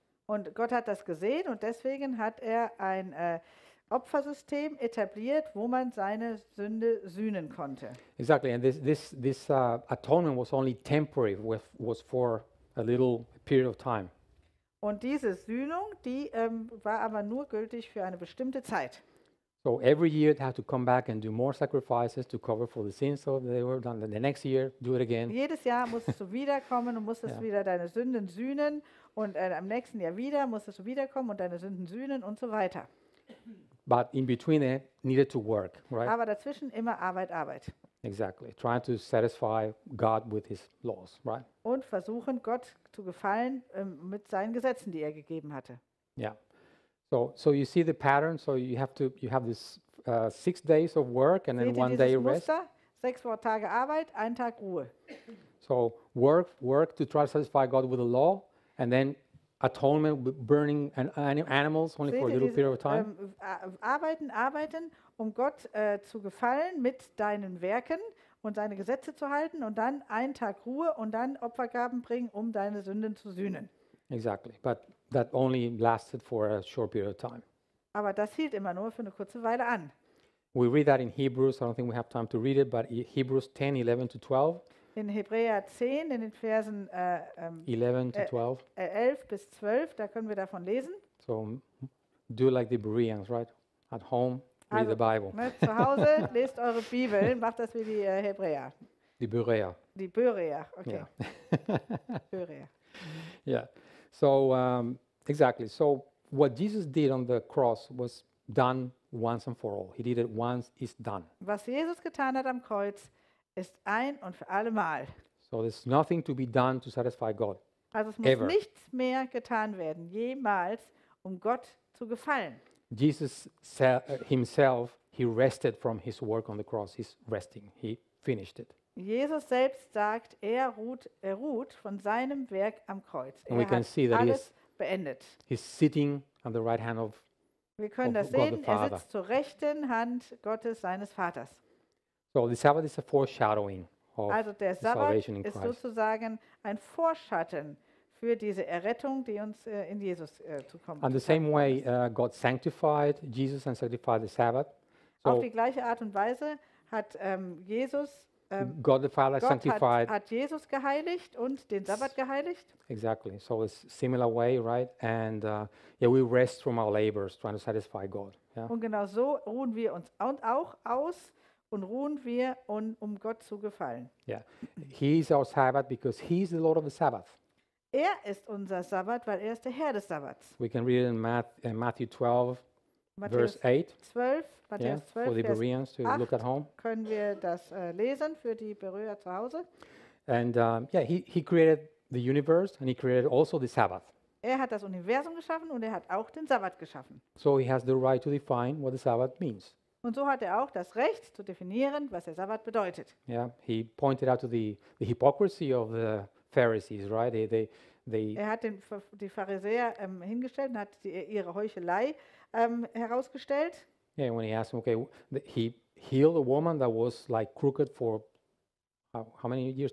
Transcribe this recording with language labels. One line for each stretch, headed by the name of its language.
German: Und Gott hat das gesehen und deswegen hat er ein Opfersystem etabliert, wo man seine Sünde sühnen konnte.
English: Exactly, and this atonement was only temporary, was for a little period of time.
German: Und diese Sühnung, die war aber nur gültig für eine bestimmte Zeit.
English: So every year they had to come back and do more sacrifices to cover for the sins that they were done. Then the next year, do it again.
German: Jedes Jahr musstest du wiederkommen und musstest yeah. wieder deine Sünden sühnen, und am nächsten Jahr wieder musstest du wiederkommen und deine Sünden sühnen und so weiter.
English: But in between it needed to work, right?
German: Aber dazwischen immer Arbeit, Arbeit.
English: Exactly. Trying to satisfy God with his laws, right?
German: Und versuchen, Gott zu gefallen mit seinen Gesetzen, die er gegeben hatte.
English: Yeah. So you see the pattern, so you have this 6 days of work and
German: seht
English: then one day
German: Muster?
English: Rest.
German: 6 Tage Arbeit, 1 Tag Ruhe.
English: So work to try to satisfy God with the law, and then atonement, burning animals only
German: seht
English: for a little period of time.
German: Arbeiten, um Gott zu gefallen mit deinen Werken und seine Gesetze zu halten, und dann 1 Tag Ruhe und dann Opfergaben bringen, um deine Sünden zu sühnen.
English: Exactly, but that only lasted for a short period of time.
German: Aber das hielt immer nur für eine kurze Weile an.
English: We read that in Hebrews. I don't think we have time to read it, but Hebrews 10, 11 to 12.
German: In Hebräer 10, in den Versen 11 bis 12, da können wir davon lesen.
English: So, do like the Bereans, right? At home, read
German: also
English: the Bible.
German: Zu Hause, lest eure Bibel, macht das wie die Hebräer. Die Bereer. Die Bereer, okay.
English: Yeah. Bereer. Yeah, so exactly. So what Jesus did on the cross was done once and for all. He did it once, it's done.
German: Was Jesus getan hat am Kreuz, ist ein und für alle Mal.
English: So there's nothing to be done to satisfy God.
German: Also es muss ever. Nichts mehr getan werden, jemals, um Gott zu gefallen.
English: Jesus himself, he rested from his work on the cross. He's resting. He finished it.
German: Jesus selbst sagt, er ruht von seinem Werk am Kreuz.
English: And we can see that
German: alles beendet.
English: He's sitting on the right hand of God the Father.
German: Wir können das sehen. Er sitzt zur rechten Hand Gottes seines Vaters.
English: So the Sabbath is a foreshadowing of
German: also der Sabbat
English: the salvation in Christ.
German: Ist sozusagen ein Vorschatten für diese Errettung, die uns in Jesus zukommt.
English: And the same way God sanctified Jesus and sanctified the Sabbath.
German: So auf die gleiche Art und Weise hat Jesus
English: God the Father
German: Gott
English: sanctified.
German: Hat Jesus geheiligt und den Sabbat geheiligt.
English: Exactly. So it's similar way, right? And yeah, we rest from our labors trying to satisfy God. Yeah?
German: Und genau so ruhen wir uns auch aus und ruhen wir um Gott zu gefallen.
English: Yeah. He is our Sabbath because he is the Lord of the Sabbath.
German: Er ist unser Sabbat, weil er ist der Herr des Sabbats.
English: We can read it in Matthew 12.
German: Matthäus 12, Vers 8, können wir das lesen für die Berührer zu Hause.
English: And he created the universe and he created also the Sabbath.
German: Er hat das Universum geschaffen und er hat auch den Sabbat geschaffen.
English: So he has the right to define what the Sabbath means.
German: Und so hat er auch das Recht zu definieren, was der Sabbat bedeutet.
English: Yeah, he pointed out to the hypocrisy of the Pharisees, right?
German: Er hat die Pharisäer hingestellt und hat ihre Heuchelei herausgestellt.
English: Yeah, when he asked him, okay, he healed a woman that was like crooked for how many years?